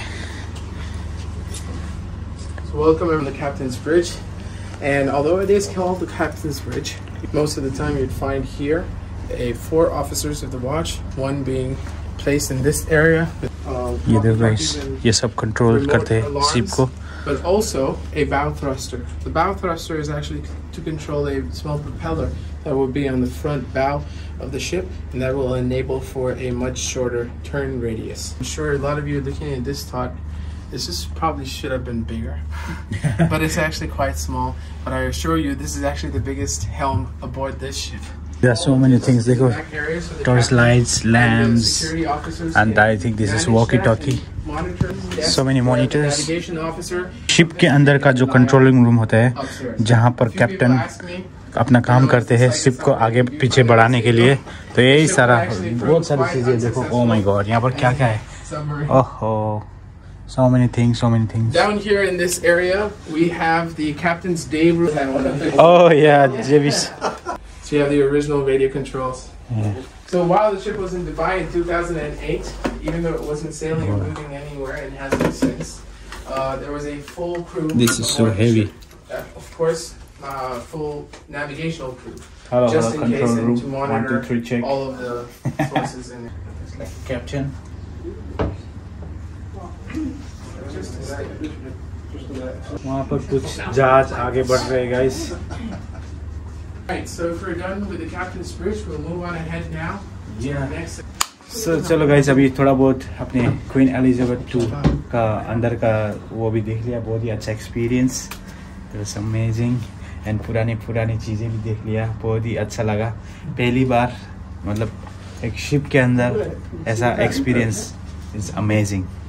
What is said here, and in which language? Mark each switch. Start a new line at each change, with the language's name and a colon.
English: So welcome on the captain's bridge. And although it is called the captain's bridge, most of the time you'd find here a four officers of the watch, one being placed in this area.
Hindi: ये देखो guys, ये सब control करते हैं ship को।
English: But also a bow thruster. The bow thruster is actually to control a small propeller that will be on the front bow of the ship, and that will enable for a much shorter turn radius. I'm sure a lot of you are looking at this thought, this is probably should have been bigger, but it's actually quite small. But I assure you, this is actually the biggest helm aboard this ship. There are so many things. They go torch lights, lamps, and I think this is walkie-talkie. So many monitors.
Hindi: Ship के अंदर का जो controlling room होता है, जहाँ पर captain अपना काम करते हैं शिप को आगे पीछे बढ़ाने के लिए, तो यही सारा बहुत सारी चीजें देखो। ओह माय गॉड, यहाँ पर क्या क्या है।
English: ओहो, so many things, so many things. Down here in this area, we have the captain's day room. Oh yeah, JVC. So you have the original radio controls. Yeah. So while the ship was in Dubai in 2008, even though it wasn't sailing or moving anywhere and hasn't since, there was a full crew. This is so heavy. Of course, full navigational proof. Hello, just hello, in case, room, and to monitor 1, 2, 3, check all of the sources in it. Captain.
Hindi: वहाँ पर कुछ जहाज आगे बढ़ रहे हैं, guys.
English: Right, so if we're done with the captain's bridge, we'll move on ahead now. Yeah.
Hindi: So चलो guys, अभी थोड़ा बहुत अपने Queen Elizabeth II का अंदर का वो भी देख लिया, बहुत ही अच्छा experience.
English: It was amazing.
Hindi: And पुरानी चीज़ें भी देख लिया, बहुत ही अच्छा लगा. पहली बार मतलब एक शिप के अंदर ऐसा एक्सपीरियंस,
English: It's amazing.